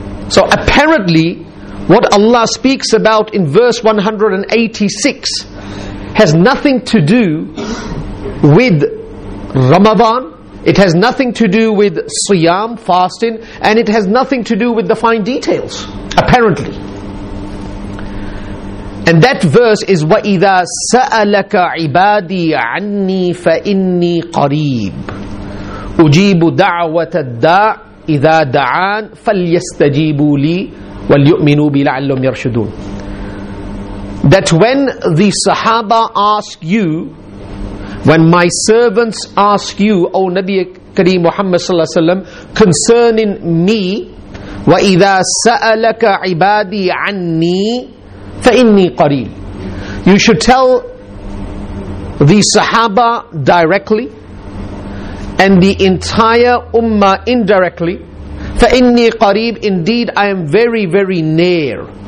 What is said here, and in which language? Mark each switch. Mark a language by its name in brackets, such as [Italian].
[English] So apparently, what Allah speaks about in verse 186 has nothing to do with Ramadan, it has nothing to do with Siyam, fasting, and it has nothing to do with the fine details, apparently. And that verse is, [Arabic] وَإِذَا سَأَلَكَ عِبَادِي عَنِّي فَإِنِّي قَرِيبٌ أُجِيبُ دَعْوَةَ الدَّاعِ إِذَا دَعَانْ فَلْيَسْتَجِيبُوا لِي وَلْيُؤْمِنُوا بِي لَعَلَّهُمْ يَرْشُدُونَ. [English] That when the Sahaba ask you, when my servants ask you, O Nabi Kareem Muhammad Sallallahu Alaihi Wasallam, concerning me, [Arabic] وَإِذَا سَأَلَكَ عِبَادِي عَنِّي فَإِنِّي قَرِيبٌ, [English] you should tell the Sahaba directly and the entire Ummah indirectly, [Arabic] فَإِنِّي قَرِيبٌ, [English] indeed I am very, very near.